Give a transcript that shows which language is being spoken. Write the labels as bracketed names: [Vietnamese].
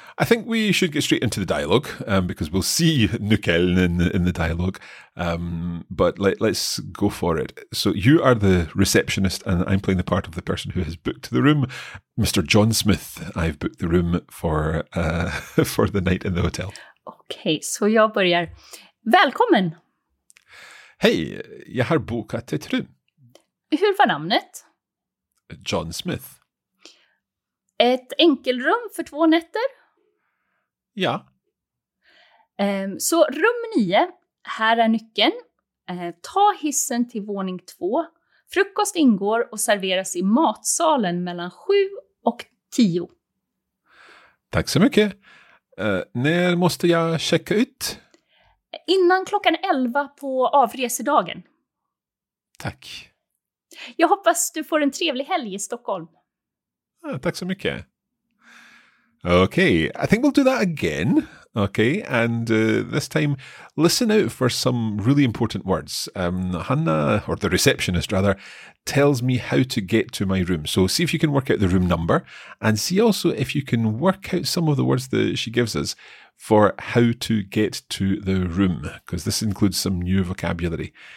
[English] I think we should get straight into the dialogue because we'll see nyckeln in the dialogue. But let's go for it. So you are the receptionist and I'm playing the part of the person who has booked the room. Mr. John Smith, I've booked the room for the night in the hotel. [Swedish] Okay, så jag börjar. Välkommen! Hej, jag har bokat ett rum. Hur var namnet? John Smith. Ett enkelrum för två nätter? Ja. Så rum 9, här är nyckeln. Ta hissen till våning 2. Frukost ingår och serveras i matsalen mellan 7 och 10. Tack så mycket. När måste jag checka ut? Innan klockan 11 på avresedagen. Tack. Jag hoppas du får en trevlig helg i Stockholm. Tack så mycket. [English] Okay, I think we'll do that again. Okay, and this time, listen out for some really important words. Hannah, or the receptionist rather, tells me how to get to my room. So see if you can work out the room number and see also if you can work out some of the words that she gives us for how to get to the room, because this includes some new vocabulary.